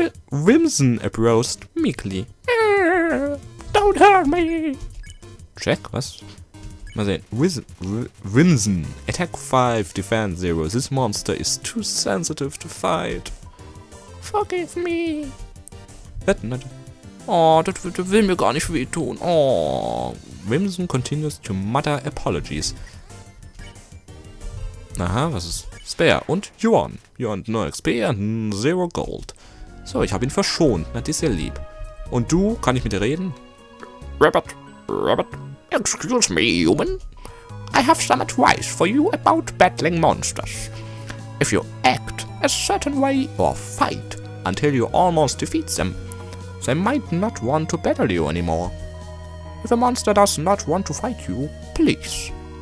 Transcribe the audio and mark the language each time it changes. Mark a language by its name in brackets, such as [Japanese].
[English] Wimson approached meekly. Don't hurt me. [German] Check, was? Mal sehen. Wimson. [English] Attack 5, defense 0. This monster is too sensitive to fight. Forgive me. [German] Oh, das will mir gar nicht wehtun. Oh. [English] Wimson continues to mutter apologies. [German] Aha, was ist? Spare und Yuan. Yuan, 0 XP und 0 Gold. So, ich habe ihn verschont. Na, die ist sehr lieb. Und du, kann ich mit dir reden? [English] Robert, excuse me, human. I have some advice for you about battling monsters. If you act a certain way or fight until you almost defeat them, they might not want to battle you anymore. If a monster does not want to fight you, please.